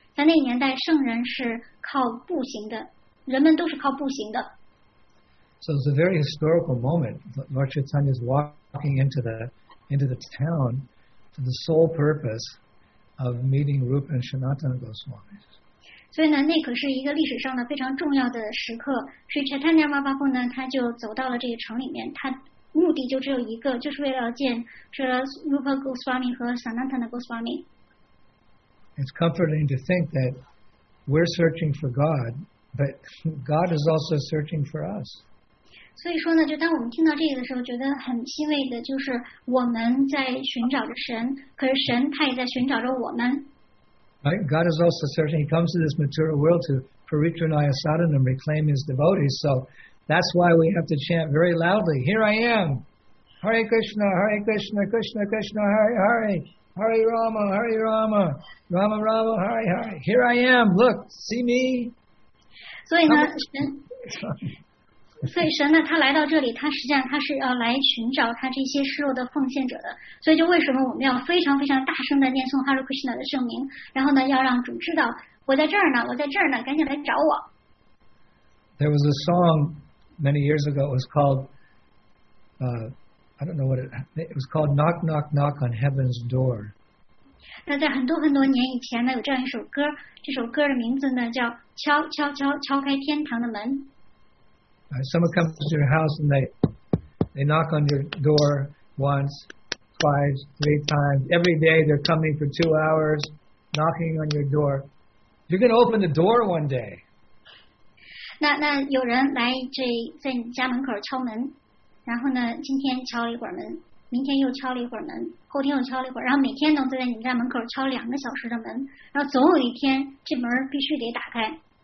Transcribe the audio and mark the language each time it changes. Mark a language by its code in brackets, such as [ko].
[zh] 在那个年代圣人是靠步行的，人们都是靠步行的。 [en] So it's a very historical moment. Lord Chaitanya is walking into the town for the sole purpose of meeting Rupa and Sanatana Goswami. [zh] 所以呢，那可是一个历史上的非常重要的时刻。所以 Chaitanya Mahaprabhu 呢，他就走到了这个城里面，他目的就只有一个，就是为了见这 Rupa Goswami 和 Sanatana Goswami. [en] It's comforting to think that we're searching for God, but God is also searching for us. [zh] 所以说呢，就当我们听到这个的时候，觉得很欣慰的，就是我们在寻找着神，可是神他也在寻找着我们。 [en] Right, God is also searching. He comes to this material world to [sa] paritranaya sadhana [en] and reclaim his devotees. So that's why we have to chant very loudly. Here I am, Hare Krishna, Hare Krishna, Krishna Krishna, Hare Hare, Hare Rama, Hare Rama, Rama Rama, Hare Hare. Here I am. Look, see me. [zh] 所以呢，神。所以神呢，他来到这里，他实际上他是要来寻找他这些失落的奉献者的。所以就为什么我们要非常非常大声的念诵 Hare Krishna 的圣名，然后呢，要让主知道我在这儿呢，我在这儿呢，赶紧来找我。 [en] There was a song many years ago. It was called, I don't know what it was called. Knock, knock, knock on heaven's door. [zh] 那在很多很多年以前呢，有这样一首歌，这首歌的名字呢叫敲敲敲敲开天堂的门。 [en] Someone comes to your house and they knock on your door once, twice, three times. Every day they're coming for 2 hours, knocking on your door. You're going to open the door one day. [zh] 那有人来这在你家门口敲门，然后呢，今天敲了一会儿门，明天又敲了一会儿门，后天又敲了一会儿，然后每天都在你家门口敲两个小时的门，然后总有一天这门必须得打开。